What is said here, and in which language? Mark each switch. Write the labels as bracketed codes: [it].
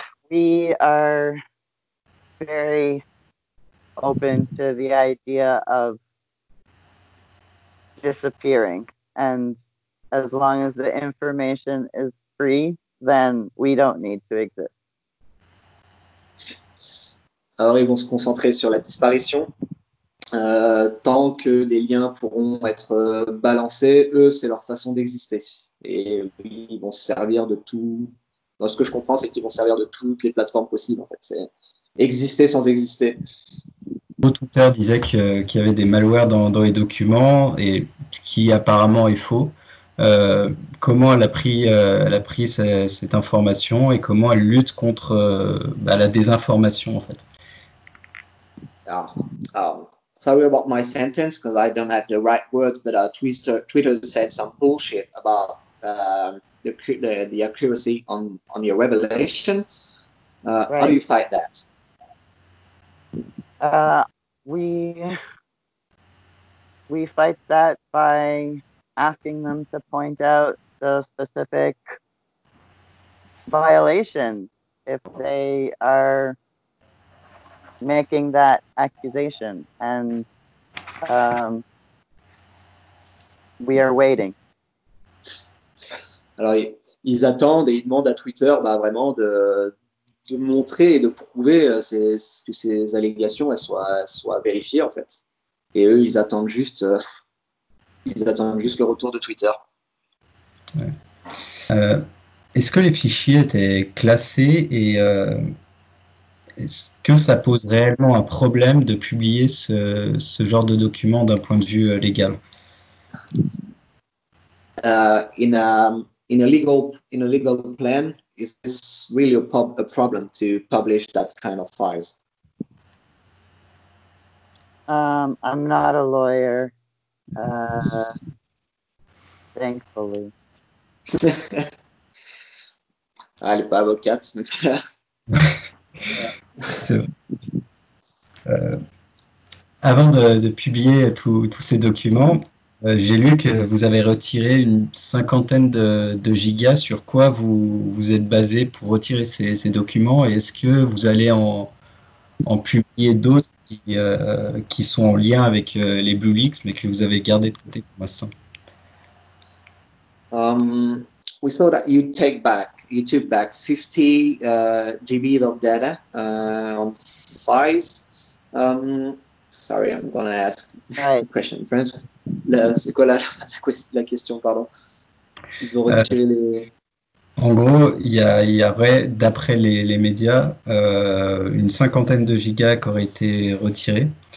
[en] We are very open to the idea of disappearing, and as long as the information is free, then we don't need to exist. [fr] Alors, ils vont se concentrer sur la disparition. Tant que des liens pourront être balancés, eux, c'est leur façon d'exister. Et ils vont se servir de tout. Dans ce que je comprends, c'est qu'ils vont se servir de toutes les plateformes possibles. En fait, c'est exister sans exister. Twitter disait qu'il y avait des malwares dans les documents, et qui apparemment est faux. Comment elle a pris cette information, et comment elle lutte contre la désinformation, en fait? [en] Sorry about my sentence, because I don't have the right words, but Twitter said some bullshit about the accuracy on your revelation. Right. How do you fight that? We fight that by asking them to point out the specific violation if they are making that accusation, and we are waiting. [fr] Alors, ils attendent et ils demandent à Twitter vraiment de montrer et de prouver que ces allégations soient vérifiées, en fait. Et eux, ils attendent juste le retour de Twitter. Ouais. Est-ce que les fichiers étaient classés, et est-ce que ça pose réellement un problème de publier ce genre de document d'un point de vue légal? [en] In a legal plan, is this really a problem to publish that kind of files? I'm not a lawyer, thankfully. [fr] Ah, elle est pas avocate, donc. C'est vrai. Avant de publier tous ces documents, j'ai lu que vous avez retiré une cinquantaine de gigas. Sur quoi vous êtes basé pour retirer ces documents, et est-ce que vous allez en publier d'autres qui sont en lien avec les Blue Leaks, mais que vous avez gardé de côté pour l'instant? [en] We saw that you took back 50 GB of data on files. Sorry, I'm going to ask a question in French. [fr] C'est quoi la question, pardon? Ils doivent retirer les. En gros, il y aurait, d'après les médias, une cinquantaine de gigas qui auraient été retirés.